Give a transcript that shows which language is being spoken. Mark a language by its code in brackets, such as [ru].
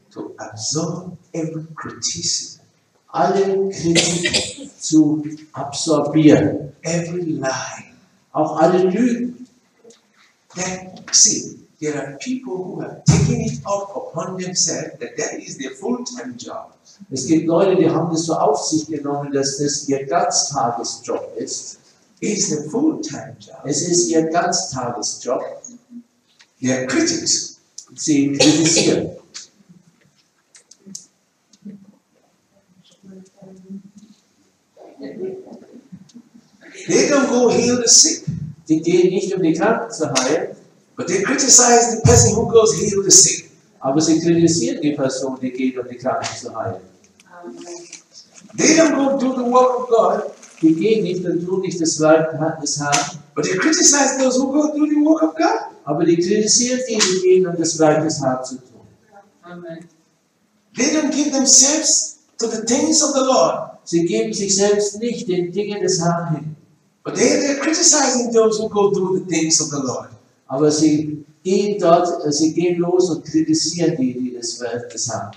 [en] to absorb every criticism. [de] Alle Kritik zu absorbieren. [en] Every lie. [de] Auch alle Lügen. [en] That, see, there are people who have taken it up upon themselves that that is their full-time job. [de] Es gibt Leute, die haben das so auf sich genommen, dass das ihr Ganztagesjob ist. [en] It's a full-time job. [de] Es ist ihr Ganztagesjob. [en] They are critics. [de] Sie kritisieren. [en] They don't go heal the sick. [de] Die gehen nicht um die Kranken zu heilen. [en] But they criticize the person who goes heal the sick. [de] Aber sie kritisieren die Person, die geht um die Kranken zu heilen. [en] They don't go do the work of God. [de] Die gehen nicht und tun nicht das Werk des Herrn. [en] But they criticize those who go do the work of God. [de] Aber die kritisieren die, die gehen um das Werk des Herrn zu tun. [en] Amen. They don't give themselves to the things of the Lord. [de] Sie geben sich selbst nicht den Dingen des Herrn hin. [en] But they are criticizing those who go do the things of the Lord. [de] Aber sie gehen los und kritisieren die, die das Werk des Herrn.